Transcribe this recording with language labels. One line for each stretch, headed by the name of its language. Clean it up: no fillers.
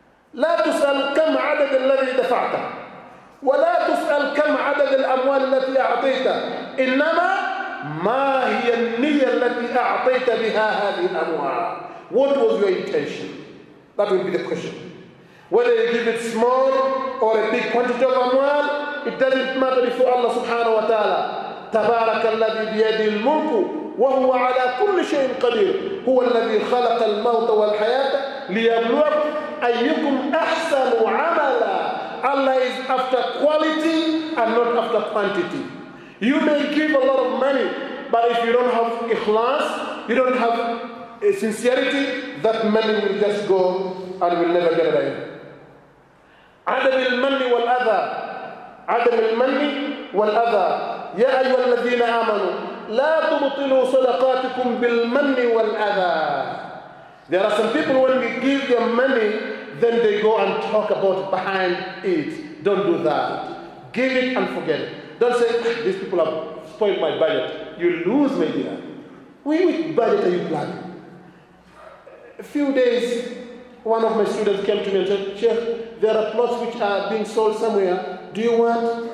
Arabic: لا تسأل كم عدد الذي دفعته ولا تسأل كم عدد الأموال التي أعطيته إنما ما هي النية التي أعطيت بها هذه الأموال.
English: What was your intention? That will be the question. Whether you give it small or a big quantity of amwal, it doesn't matter before Allah subhanahu wa ta'ala.
Arabic: تبارك الذي بيده الملك وهو على كل شيء قدير هو الذي خلق الموت والحياة ليبلوك أيكم أحسن عملا.
English: Allah is after quality and not after quantity. You may give a lot of money, but if you don't have ikhlas, you don't have sincerity, that money will just go and will never get away.
Arabic: عدم المن والأذى. عدم المن والأذى. يا أيها الذين آمنوا لا تبطلوا صدقاتكم بالمن والأذى.
English: There are some people when we give them money, then they go and talk about behind it. Don't do that. Give it and forget it. Don't say, these people have spoiled my budget. You lose, my dear. Which budget are you planning? A few days, one of my students came to me and said, Sheikh, there are plots which are being sold somewhere. Do you want?